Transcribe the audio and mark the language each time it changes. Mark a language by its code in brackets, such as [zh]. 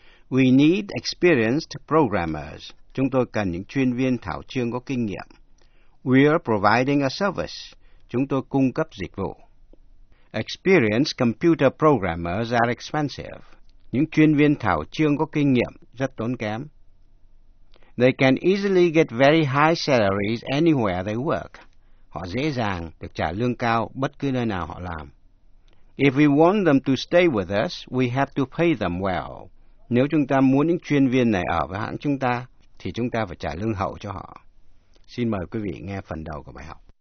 [en] We need experienced programmers. [vi] Chúng tôi cần những chuyên viên thảo chương có kinh nghiệm. [en] We are providing a service. [vi] Chúng tôi cung cấp dịch vụ. [en] Experienced computer programmers are expensive. [vi] Những chuyên viên thảo chương có kinh nghiệm rất tốn kém. [en] They can easily get very high salaries anywhere they work. [vi] Họ dễ dàng được trả lương cao bất cứ nơi nào họ làm. [en] If we want them to stay with us, we have to pay them well. [vi] Nếu chúng ta muốn những chuyên viên này ở với hãng chúng ta, thì chúng ta phải trả lương hậu cho họ. Xin mời quý vị nghe phần đầu của bài học.